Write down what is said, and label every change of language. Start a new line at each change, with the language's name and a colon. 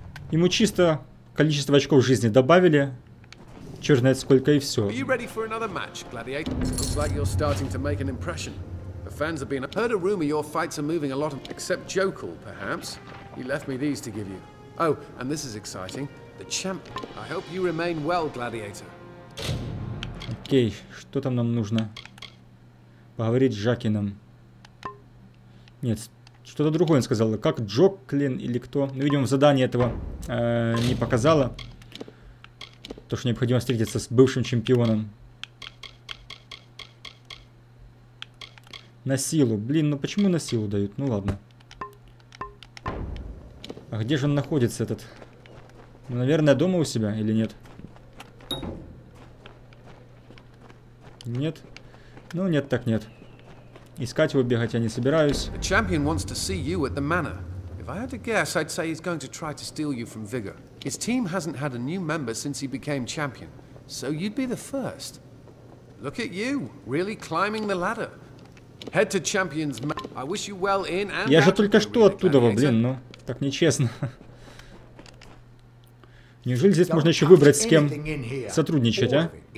Russian: Ему чисто количество очков жизни добавили. Черт знает сколько и все.
English: Are you ready for another match, Gladiator? Looks like you're starting to make an impression. Fans have been. I've heard a rumor your fights are moving a lot. Except Jokul, perhaps. He left me these to give you. Oh, and this is exciting. The champ. I hope you remain well, Gladiator.
Russian: Окей, что там нам нужно? Поговорить с Джакином. Нет, что-то другое он сказал. Как Джоклин или кто? Ну, видимо, в задании этого не показало. То, что необходимо встретиться с бывшим чемпионом. На силу. Блин, ну почему на силу дают? Ну ладно. А где же он находится, этот? Ну, наверное, дома у себя или нет? Нет? Ну нет, так нет. Искать его, бегать я не собираюсь.
English: Champion wants to see you at the manor. If I had to guess, I'd say he's going to try to steal you from Vigor. His team hasn't had a new member since he became champion. So you'd be the first. Look at you, really climbing the ladder. Head to champions. I wish you well in and
Russian: я же только что оттуда, блин, ну так нечестно. Неужели здесь можно еще выбрать, с кем сотрудничать, а?